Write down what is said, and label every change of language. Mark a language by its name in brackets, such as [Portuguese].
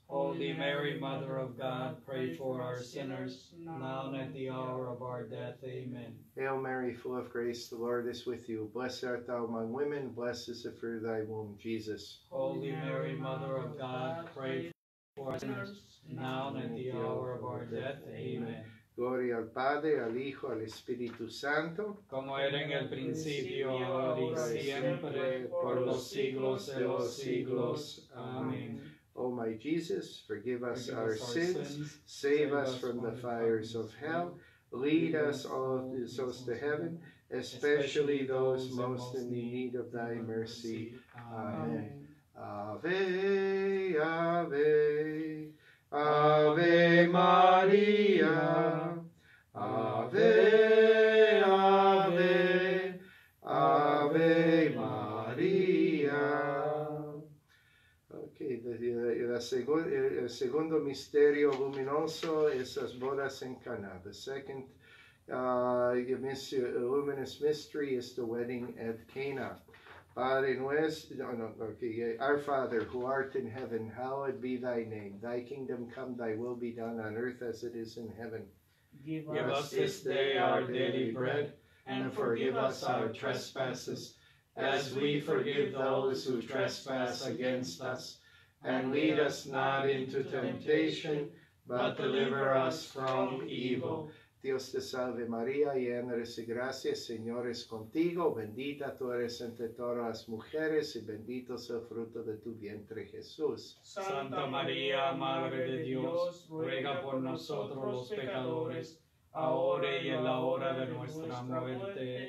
[English] Holy Mary, Mother of God, pray for our sinners, now and at the hour of our death. Amen. Hail Mary, full of grace, the Lord is with you. Blessed art thou among women, blessed is the fruit of thy womb, Jesus. Holy Mary, Mother of God, pray for our sinners, now and at the hour of our death. Amen. [Spanish] Gloria al Padre, al Hijo, al Espíritu Santo, como era en el principio, ahora y siempre, por los siglos de los siglos. Amén. [English] Oh my Jesus, forgive us our sins, save us from the fires of hell, lead us all souls to heaven, especially those most in the need of thy mercy. [Latin] Amen. Ave, ave. Ave Maria, Ave, Ave, Ave Maria. [Spanish] Okay, el segundo misterio luminoso es las bodas en Cana. [English] The second luminous mystery is the wedding at Cana. [Spanish] Padre nuestro, [English] our Father, who art in heaven, hallowed be thy name. Thy kingdom come, thy will be done on earth as it is in heaven. Give us this day our daily bread, and forgive us our trespasses, as we forgive those who trespass against us. And lead us not into temptation, but deliver us from evil. [Spanish] Dios te salve María, llena eres de gracia, Señor es contigo, bendita tú eres entre todas las mujeres, y bendito es el fruto de tu vientre, Jesús. Santa María, Madre de Dios, ruega por nosotros los pecadores, ahora y en la hora de nuestra muerte.